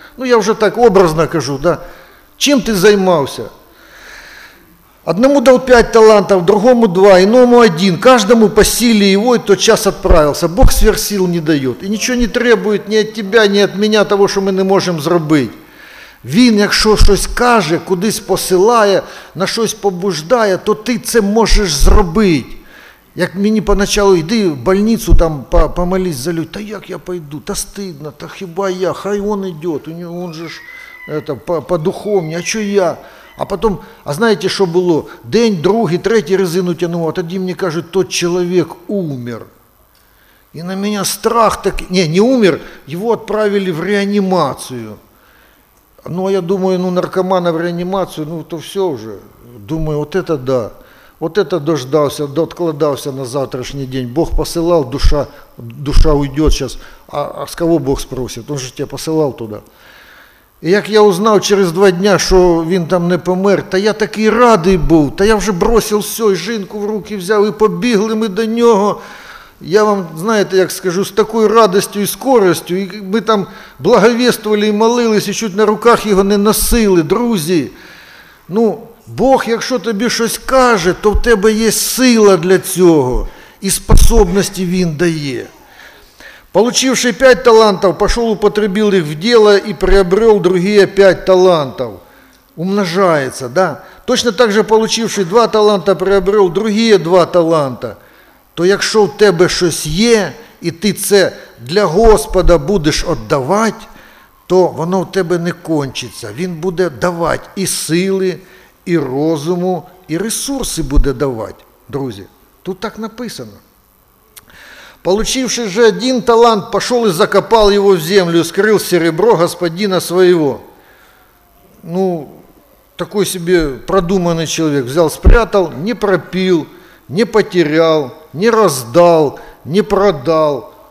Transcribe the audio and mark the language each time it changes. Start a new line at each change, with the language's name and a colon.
Russian: Ну, я уже так образно кажу, да?
Ukrainian: Чим ты займався?
Russian: Одному дал 5 талантов, другому 2, иному 1. Каждому по силе его и тот час отправился. Бог сверхсил не дает. И ничего не требует ни от тебя, ни от меня того, что мы не можем сделать.
Ukrainian: Він, якщо щось каже, кудись посилає, на щось побуждає, то ти це можеш зробити. Як мені поначалу, йди в больницу, там помолись за людей, та як я пойду, та стидно, та хіба я, хай он йде, он же ж по духовні, а що я? А потом, а знаєте, що було? День, другий, третій резину тянув, а тоді мені кажуть, той чоловік умер. І на мене страх такий, не умер, його відправили в реанімацію. Ну, а я думаю, ну наркомана в реанімацію, ну то все вже, думаю, от це да.
Russian: Вот это дождался, доткладался на завтрашний день. Бог посылал, душа уйдет сейчас. А с кого Бог спросит? Он же тебя посылал туда. И как я узнал через 2 дня, что он там не помер, то я так и радый был. То я уже бросил все, и жінку в руки взял, и побегли мы до него. Я вам, знаете, как скажу, с такой радостью и скоростью. И мы там благовествовали и молились, и чуть на руках его не носили. Друзья, ну...
Ukrainian: Бог, якщо тобі щось каже, то в тебе є сила для цього, і способності він дає. Получивши 5 талантів, пішов, употребив їх в діло і приобрел другі 5 талантів. Умножається, да?
Russian: Точно так же, получивши 2 таланта, приобрел другі 2 таланта.
Ukrainian: То якщо в тебе щось є, і ти це для Господа будеш віддавати, то воно в тебе не кончиться. Він буде давати і сили, і розуму, і ресурси буде давати, друзі. Тут так написано.
Russian: Получивший же один талант, пошел и закопал его в землю, и скрыл серебро господина своего. Ну, такой себе продуманный человек. Взял, спрятал, не пропил, не потерял, не раздал, не продал.